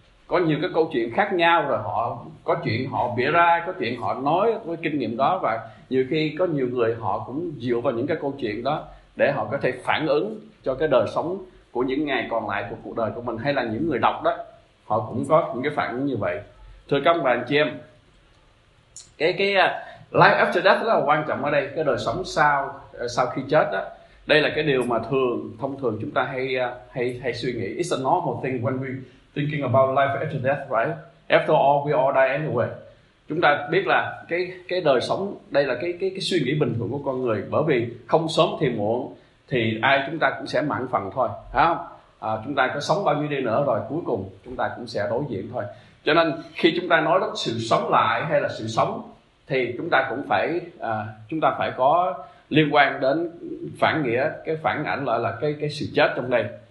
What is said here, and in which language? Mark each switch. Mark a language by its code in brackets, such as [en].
[vi] Có nhiều cái câu chuyện khác nhau, rồi họ có chuyện họ bịa ra, có chuyện họ nói với kinh nghiệm đó, và nhiều khi có nhiều người họ cũng dựa vào những cái câu chuyện đó để họ có thể phản ứng cho cái đời sống của những ngày còn lại của cuộc đời của mình, hay là những người đọc đó họ cũng có những cái phản ứng như vậy. Thưa các bạn chị em, cái [en] life after death [vi] rất là quan trọng ở đây, cái đời sống sau khi chết đó. Đây là cái điều mà thông thường chúng ta hay suy nghĩ. [en] It's a normal thing when we thinking about life after death, right? After all, we all die anyway. [vi] Chúng ta biết là cái đời sống, đây là cái suy nghĩ bình thường của con người, bởi vì không sớm thì muộn thì ai chúng ta cũng sẽ mãn phần thôi, phải không? Chúng ta có sống bao nhiêu đi nữa rồi cuối cùng chúng ta cũng sẽ đối diện thôi. Cho nên khi chúng ta nói đến sự sống lại hay là sự sống thì chúng ta cũng phải có liên quan đến phản nghĩa, cái phản ảnh lại là cái sự chết trong đây.